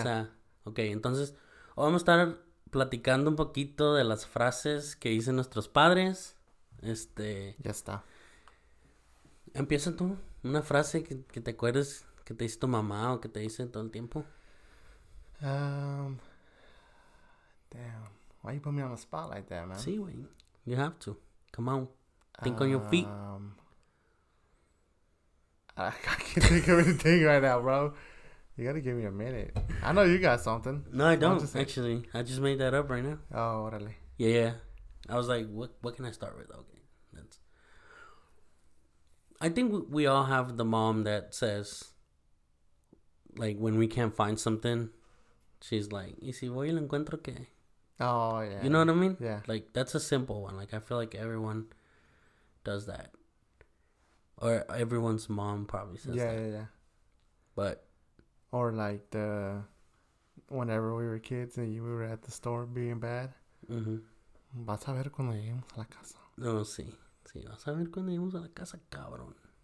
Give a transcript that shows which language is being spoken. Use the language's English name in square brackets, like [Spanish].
[Spanish] O sea, okay, entonces, hoy vamos a estar platicando un poquito de las frases que dicen nuestros padres. Ya está. Empieza tú. Una frase que te acuerdes que te dice tu mamá o que te dice todo el tiempo. [English] Damn. Why you put me on the spot like that, man? [Spanish] Sí, güey. [English] You have to. Come on. Think on your feet. I can't think of anything right now, bro. You gotta give me a minute. I know you got something. No, I don't, actually. I just made that up right now. [Spanish] Oh, orale. [English] Yeah. I was like, what can I start with? Okay. I think we all have the mom that says, like, when we can't find something, she's like, [Spanish] ¿y si voy y lo encuentro qué? [English] Oh, yeah. You know what I mean? Yeah. Like, that's a simple one. Like, I feel like everyone does that, or everyone's mom probably says that. But or like the whenever we were kids and we were at the store being bad. Mm-hmm. [Spanish] Vas a ver cuando lleguemos a la casa. No, sí, vas a ver cuando lleguemos a la casa, cabrón.